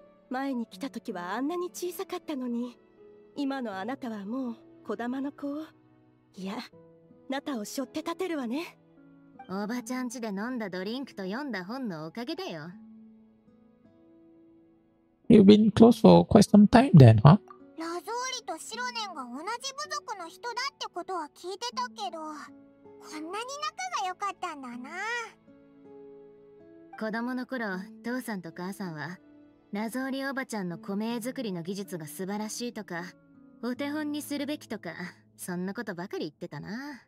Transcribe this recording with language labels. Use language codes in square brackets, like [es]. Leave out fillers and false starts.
[ja] 前に来た時はあんなに小さかったのに、今のあなたはもう小玉の子を、いや、ナタを背負って立てるわね。おばちゃん家で飲んだドリンクと読んだ本のおかげだよ。 [en] You've been close for quite some time then, huh? [ja] ラゾーリとシロネンが同じ部族の人だってことは聞いてたけど、こんなに仲が良かったんだな。子供の頃、父さんと母さんはラゾーリおばちゃんの米作りの技術が素晴らしいとか、お手本にするべきとか、そんなことばかり言ってたな。